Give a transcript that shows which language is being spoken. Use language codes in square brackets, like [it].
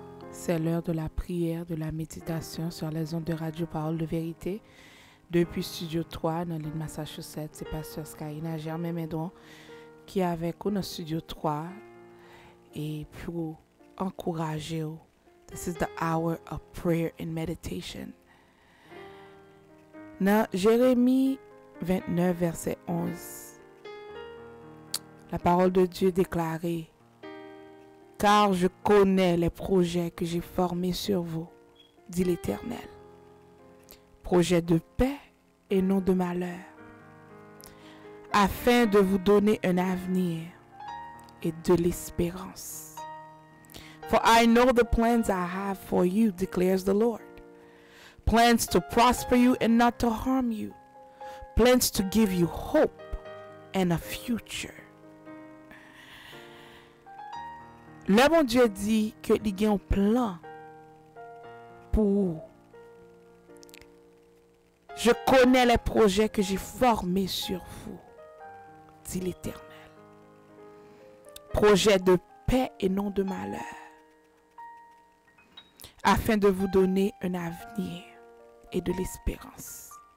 [fr] C'est l'heure de la prière, de la méditation sur les ondes de Radio Parole de Vérité. Depuis Studio 3, dans l'île de Massachusetts, c'est Pasteur Skyna Germain-Médron qui est avec nous dans Studio 3 et pour encourager vous. [en] This is the hour of prayer and meditation. [fr] Dans Jérémie 29, verset 11, la parole de Dieu déclarée: car je connais les projets que j'ai formés sur vous, dit l'Éternel. Projets de paix et non de malheur, afin de vous donner un avenir et de l'espérance. [en] For I know the plans I have for you, declares the Lord. Plans to prosper you and not to harm you. Plans to give you hope and a future. [fr] Le bon Dieu dit que il y a un plan pour vous. Je connais les projets que j'ai formés sur vous, dit l'Éternel. Projets de paix et non de malheur, afin de vous donner un avenir et de l'espérance.